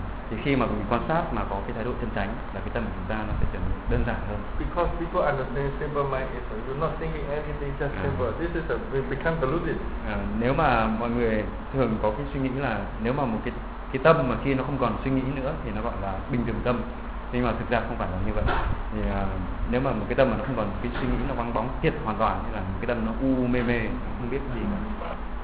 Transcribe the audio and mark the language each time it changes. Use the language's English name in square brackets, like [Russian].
[Vietnamese] Thì khi mà mình quan sát mà có cái thái độ chân chánh là cái tâm của chúng ta nó sẽ trở nên đơn giản hơn. [English] Because people understand simple mind is you're not thinking anything, just simple. This is a we become deluded. [Vietnamese] Nếu mà mọi người thường có cái suy nghĩ là nếu mà một cái tâm mà khi nó không còn suy nghĩ nữa thì nó gọi là bình thường tâm. Nhưng mà thực ra không phải là như vậy. Thì nếu mà một cái tâm mà nó không còn cái suy nghĩ nó vắng bóng thiệt hoàn toàn, thì là một cái tâm nó u mê mê không biết gì cả.